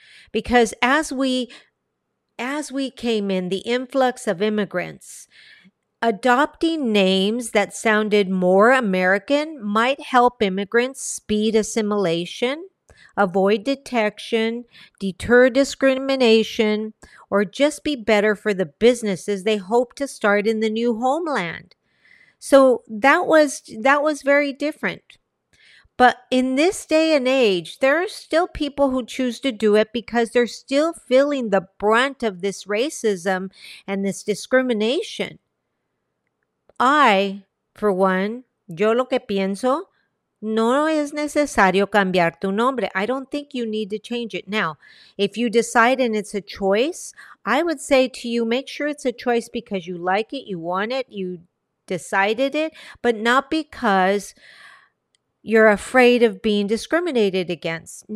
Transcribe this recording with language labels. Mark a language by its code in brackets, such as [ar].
[en] Because as we came in, the influx of immigrants, adopting names that sounded more American might help immigrants speed assimilation, avoid detection, deter discrimination, or just be better for the businesses they hope to start in the new homeland. So that was very different. But in this day and age, there are still people who choose to do it because they're still feeling the brunt of this racism and this discrimination. I, for one, [es] yo lo que pienso, no es necesario cambiar tu nombre. [en] I don't think you need to change it. Now, if you decide and it's a choice, I would say to you, make sure it's a choice because you like it, you want it, you decided it, but not because you're afraid of being discriminated against.